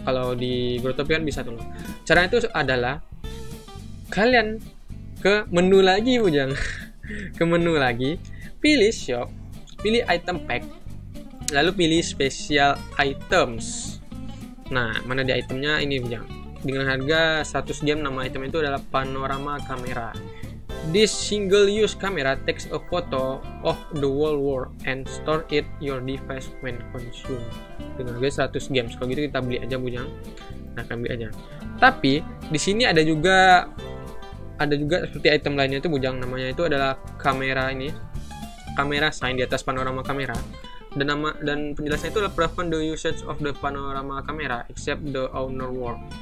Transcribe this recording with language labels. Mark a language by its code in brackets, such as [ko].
[id] Kalau di Grotopia kan bisa tuh loh. Caranya itu adalah kalian ke menu lagi bujang. Ke menu lagi, pilih shop, pilih item pack, lalu pilih special items. Nah, mana di itemnya ini bujang. Dengan harga 100 gem, nama item itu adalah panorama kamera. [en] This single use camera takes a photo of the whole world and store it your device when consumed. [id] Dengan harga 100 gems. Kalau gitu kita beli aja bujang. Nah, kita beli aja. Tapi di sini ada juga seperti item lainnya itu bujang, namanya itu adalah kamera ini. Kamera sign di atas panorama kamera. Dan nama dan penjelasannya itu adalah [en] prevent the usage of the panorama camera except the owner world.